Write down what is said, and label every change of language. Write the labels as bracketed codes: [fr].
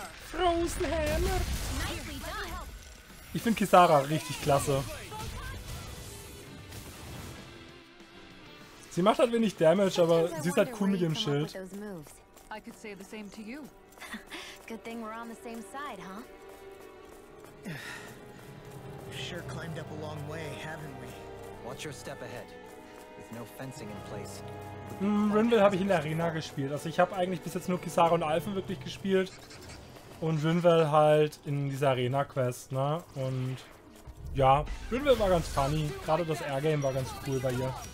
[de] Frozen Hammer! Ich finde Kisara richtig klasse. Sie macht halt wenig Damage, aber sie ist halt cool mit dem Schild. [en] I could say the same to you. Good thing we're on the same side, huh? Sure climbed up a long way, haven't we? Watch your step ahead. With no fencing in place. [de] Rinvel habe ich in der Arena gespielt. Also ich habe eigentlich bis jetzt nur Kisara und Alphen wirklich gespielt. Und Rinvel halt in dieser Arena-Quest, ne? Und ja, Rinvel war ganz funny. Gerade das Airgame war ganz cool bei ihr.